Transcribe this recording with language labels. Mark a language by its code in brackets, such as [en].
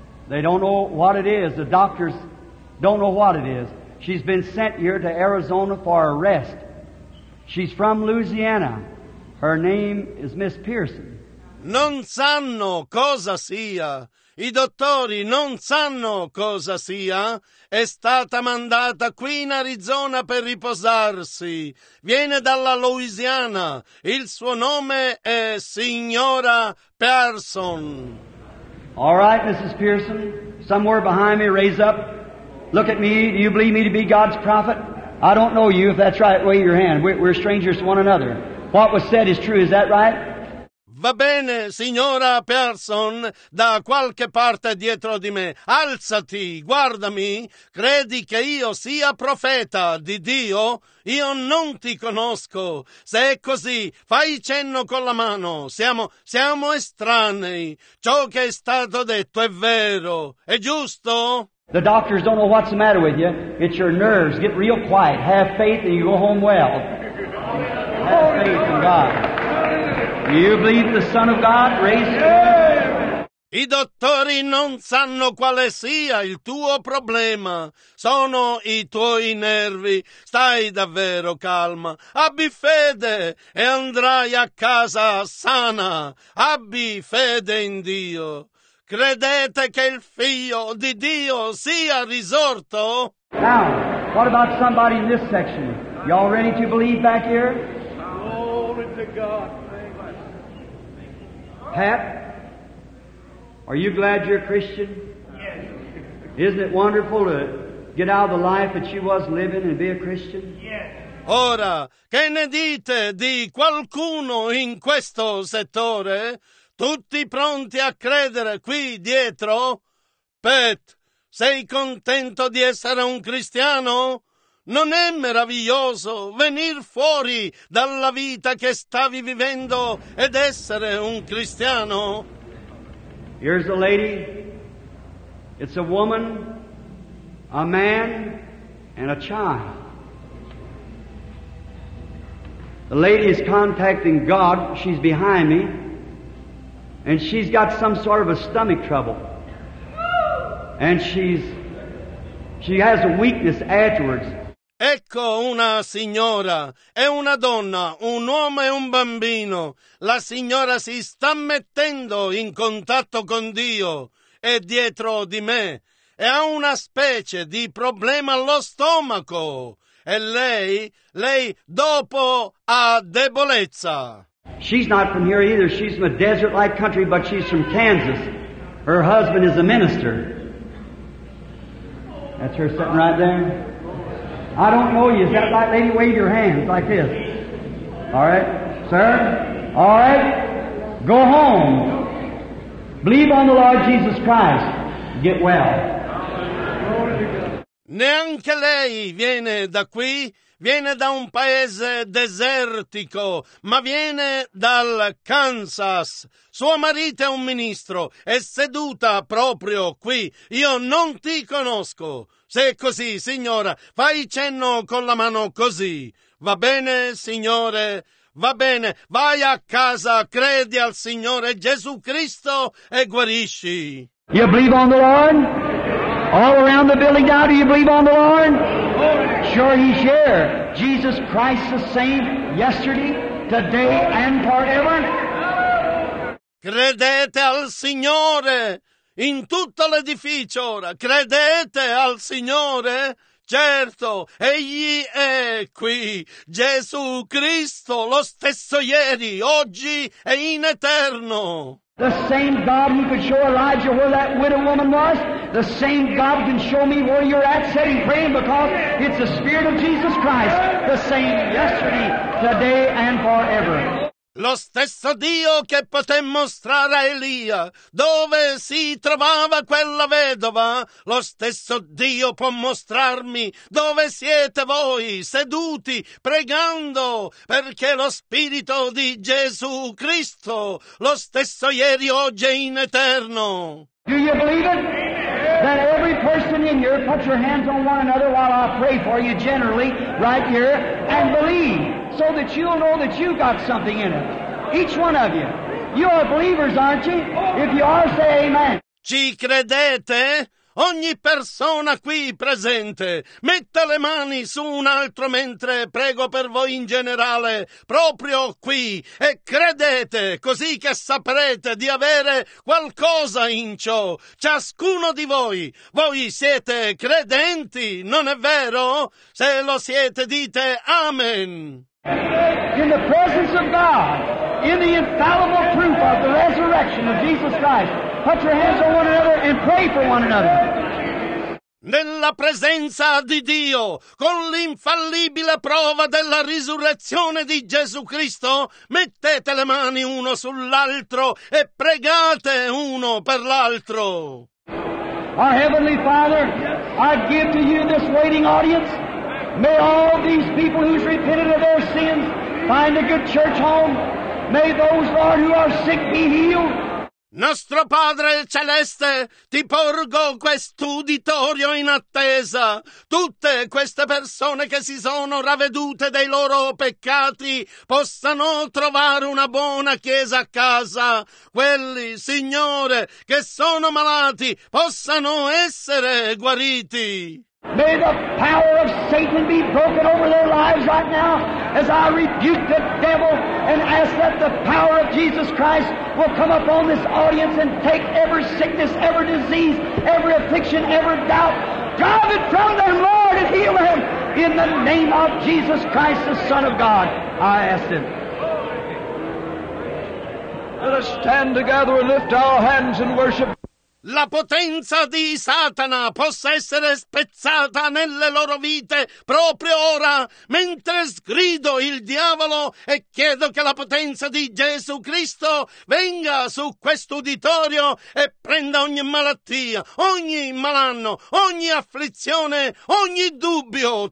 [en] They don't know what it is. The doctors don't know what it is. She's been sent here to Arizona for a rest. She's from Louisiana. Her name is Miss Pearson. [it] Non sanno cosa sia. I dottori non sanno cosa sia. È stata mandata qui in Arizona per riposarsi. Viene dalla Louisiana. Il suo nome è signora Pearson. [en] All right, Mrs. Pearson, somewhere behind me, raise up. Look at me. Do you believe me to be God's prophet? I don't know you. If that's right, wave your hand. We're strangers to one another. What was said is true. Is that right? [it] Va bene, signora Pearson, da qualche parte dietro di me. Alzati, guardami. Credi che io sia profeta di Dio? Io non ti conosco. Se è così, fai cenno con la mano. Siamo estranei. Ciò che è stato detto è vero. È giusto? [en] The doctors don't know what's the matter with you. It's your nerves. Get real quiet. Have faith and you go home well. Have faith in God. You believe the Son of God? Raise your hand. [it] I dottori non sanno quale sia il tuo problema. Sono i tuoi nervi. Stai davvero calma. Abbi fede e andrai a casa sana. Abbi fede in Dio. Credete che il Figlio di Dio sia risorto? [en] Now, what about somebody in this section? Y'all ready to believe back here? Glory to God. Pat, are you glad you're a Christian? Yes. Isn't it wonderful to get out of the life that she was living and be a Christian? Yes. [it] Ora, che ne dite di qualcuno in questo settore? Tutti pronti a credere qui dietro? Pat, sei contento di essere un cristiano? Non è meraviglioso venir fuori dalla vita che stavi vivendo ed essere un cristiano? [en] Here's a lady. It's a woman, a man, and a child. The lady is contacting God. She's behind me. And she's got some sort of a stomach trouble. And she has a weakness afterwards. [it] Ecco una signora, è una donna, un uomo e un bambino. La signora si sta mettendo in contatto con Dio, è dietro di me, e ha una specie di problema allo stomaco. E lei dopo ha debolezza. [en] She's not from here either, she's from a desert-like country, but she's from Kansas. Her husband is a minister. That's her sitting right there. I don't know you. Is that right, lady? Wave your hands like this. All right, sir. All right. Go home. Believe on the Lord Jesus Christ. Get well. [it] Neanche lei viene da qui. Viene da un paese desertico, ma viene dal Kansas. Suo marito è un ministro. È seduta proprio qui. Io non ti conosco. Se è così, signora, fai cenno con la mano così. Va bene, signore? Va bene. Vai a casa, credi al Signore Gesù Cristo e guarisci. [en] You believe on the Lord? All around the building now, do you believe on the Lord? Sure he share. Jesus Christ the same yesterday, today and forever. [it] Credete al Signore! In tutto l'edificio ora, credete al Signore? Certo, Egli è qui, Gesù Cristo, lo stesso ieri, oggi e in eterno. [en] The same God who could show Elijah where that widow woman was, the same God can show me where you're at sitting praying, because it's the Spirit of Jesus Christ, the same yesterday, today and forever. [it] Lo stesso Dio che poté mostrare a Elia dove si trovava quella vedova, lo stesso Dio può mostrarmi dove siete voi seduti pregando, perché lo Spirito di Gesù Cristo, lo stesso ieri, oggi e in eterno. [en] Do you believe it? That every person in here, put your hands on one another while I pray for you generally right here and believe, so that you'll know that you've got something in it. Each one of you. You are believers, aren't you? If you are, say amen. [it] Ci credete? Ogni persona qui presente, metta le mani su un altro mentre prego per voi in generale, proprio qui, e credete, così che saprete di avere qualcosa in ciò, ciascuno di voi. Voi siete credenti, non è vero? Se lo siete, dite amen. [en] In the presence of God, in the infallible proof of the resurrection of Jesus Christ, put your hands on one another and pray for one another. [it] Nella presenza di Dio, con l'infallibile prova della risurrezione di Gesù Cristo, mettete le mani uno sull'altro e pregate uno per l'altro. [en] Our Heavenly Father, I give to you this waiting audience. May all these people who've repented of their sins find a good church home. May those, Lord, who are sick be healed. [it] Nostro Padre Celeste, ti porgo quest'uditorio in attesa. Tutte queste persone che si sono ravvedute dei loro peccati possano trovare una buona chiesa a casa. Quelli, Signore, che sono malati possano essere guariti. [en] May the power of Satan be broken over their lives right now as I rebuke the devil and ask that the power of Jesus Christ will come upon this audience and take every sickness, every disease, every affliction, every doubt. Drive it from them, Lord, and heal them. In the name of Jesus Christ, the Son of God, I ask it. Let us stand together and lift our hands in worship. [it] La potenza di Satana possa essere spezzata nelle loro vite proprio ora, mentre sgrido il diavolo e chiedo che la potenza di Gesù Cristo venga su quest'uditorio e prenda ogni malattia, ogni malanno, ogni afflizione, ogni dubbio.